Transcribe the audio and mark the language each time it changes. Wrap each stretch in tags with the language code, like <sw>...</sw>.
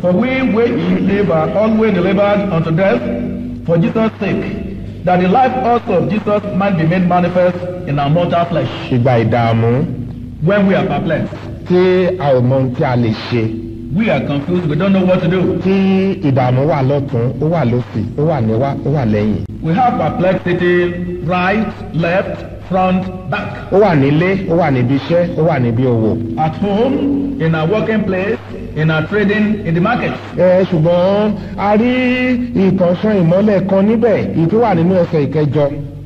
<en>For we wait in labor, always delivered unto death for Jesus' sake, that the life also of Jesus might be made manifest in our mortal flesh.</en> <yo>Ìgbà ìdààmú.</yo> <en>When we are perplexed.</en> <yo>Tí a ò mọ ohun tí a lè ṣe.</yo> <en>We are confused, we don't know what to do.</en> <yo>Tí ìdààmú wà lọ́tún, ó wà lósì, ó wà níwá, ó wà lẹ́yìn.</yo> <en>We have perplexity right, left, front, back.</en> <yo>Ó wà nílé, ó wà níbi iṣẹ́, ó wà níbi owó.</yo> <en>At home, in our working place, in our trading, in the market.</en> <yo>Ṣùgbọ́n a rí ìtànṣán ìmọ́lẹ̀ kan níbẹ̀, èyí tó wà nínú ẹsẹ̀ ìkẹjọ.</yo>